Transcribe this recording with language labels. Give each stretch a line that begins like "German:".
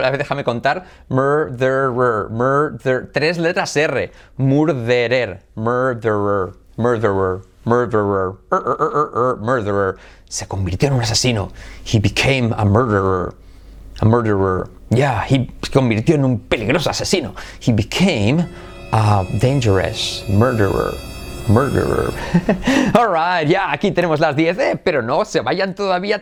Spanish: Déjame contar, murderer, murder, tres letras R, murderer, murderer, murderer. Murderer, murderer, se convirtió en un asesino.
English: He became a murderer, a murderer.
Spanish: Yeah, he se convirtió en un peligroso asesino.
English: He became a dangerous murderer, murderer. All right, yeah,
Spanish: aquí tenemos las 10, pero no se vayan todavía.